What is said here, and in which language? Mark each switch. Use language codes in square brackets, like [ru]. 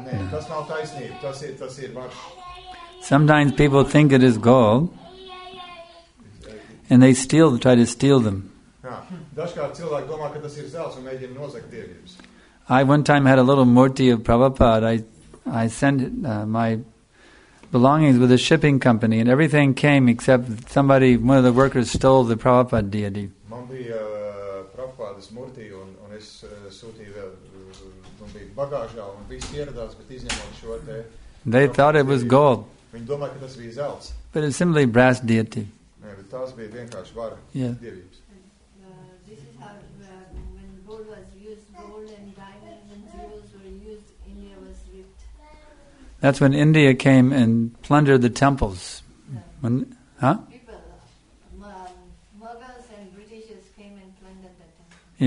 [lv] Tas nav taisnība, tas ir varš. [en] Sometimes people think it is gold, and they try to steal them. [lv] Dažkārt cilvēki domā, ka tas ir zels un mēģina nozagt dievības. [en] I one time had a little murti of Prabhupada. I sent my belongings with a shipping company, and everything came except somebody, one of the workers, stole the Prabhupada deity. [lv] Man bija Prabhupādas murti, un es sūtīju vēl. Bagāžā un viss ieradās, bet izņemot šo te... [en] They thought it was gold. [lv] Viņi domāja, ka tas bija zelts. [en] But it's simply brass deity. [lv] Nē, bet tās bija vienkārši vara dievības. [en] This is how, when gold was used, gold and diamonds and jewels were used, India was ripped. That's when India came and plundered the temples. When, Mughals and Britishers came and plundered the